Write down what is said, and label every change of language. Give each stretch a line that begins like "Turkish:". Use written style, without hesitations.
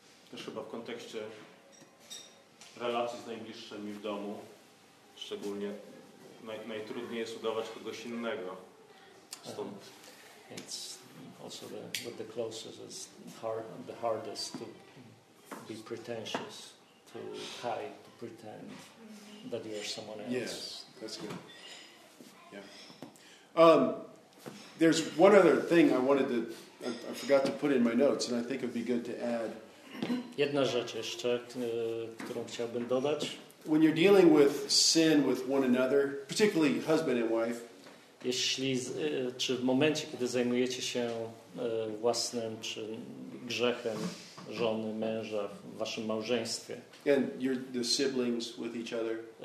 Polish: Też chyba w kontekście relacji z najbliższymi w domu, szczególnie najtrudniej jest udawać kogoś innego.
English: Więc also the closest is the hardest to be pretentious, to hide, to pretend that you are someone else. Yes, that's good. Yeah. There's one other thing I wanted to, I forgot to put in my notes, and I think it'd be good to add.
Polish: Jedna rzecz jeszcze, którą chciałbym dodać.
English: When you're dealing with sin with one another, particularly husband and wife.
Polish: Jeśli, czy w momencie, kiedy zajmujecie się własnym czy grzechem żony, męża w waszym małżeństwie,
English: and you're the siblings with each other.